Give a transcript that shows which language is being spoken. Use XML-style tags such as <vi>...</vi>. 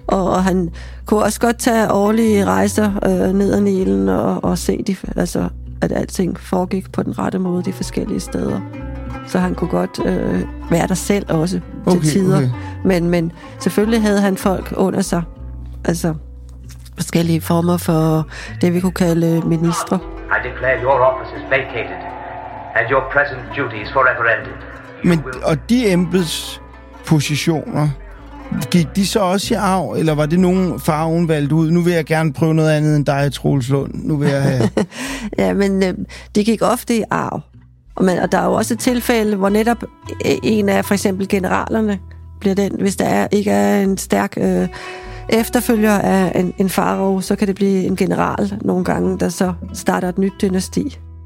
<da>Og han kunne også godt tage årlige rejser ned ad Nilen og se, at alting foregik på den rette måde de forskellige steder. Så han kunne godt være der selv også til tider. Okay. Men selvfølgelig havde han folk under sig. Altså forskellige former for det, vi kunne kalde ministre.</da> <en>I declare your office is vacated and your present duties forever ended.</en> <da>Men og de embedspositioner, gik de så også i arv, eller var det nogen faraoen valgte ud? Nu vil jeg gerne prøve noget andet end dig, Troels Lund. Nu vil jeg have... Ja, men de gik ofte i arv. Og der er jo også et tilfælde, hvor netop en af for eksempel generalerne bliver den, hvis der ikke er en stærk efterfølger af en farao, så kan det blive en general nogle gange, der så starter et nyt dynasti.</da>